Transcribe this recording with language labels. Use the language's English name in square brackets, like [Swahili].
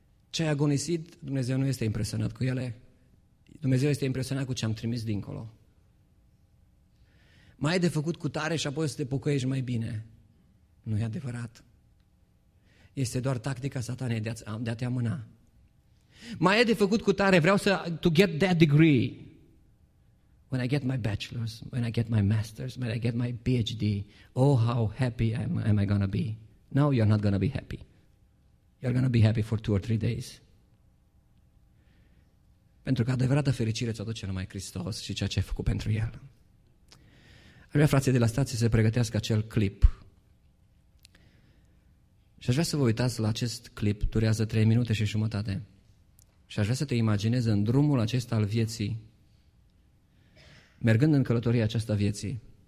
[Romanian] Ce ai agonisit, Dumnezeu nu este impresionat cu ele, Dumnezeu este impresionat cu ce am trimis dincolo. Mai ai de făcut cu tare și apoi să te pocăiești mai bine. Nu e adevărat. Este doar tactica satanei de a te amâna. Mai e de făcut cu tare, vreau să, [English] to get that degree. When I get my bachelor's, when I get my master's, when I get my PhD, oh how happy am I going to be. No, you're not going to be happy. You're going to be happy for 2 or 3 days. [Romanian] Pentru că adevărata fericire ți-o aduce numai Hristos și ceea ce ai făcut pentru El. Aș vrea frații de la stație să pregătească acel clip. Și aș vrea să vă uitați la acest clip, durează 3 minute și jumătate. Și aș vrea să te imaginezi în drumul acesta al vieții, mergând în călătoria aceasta vieții.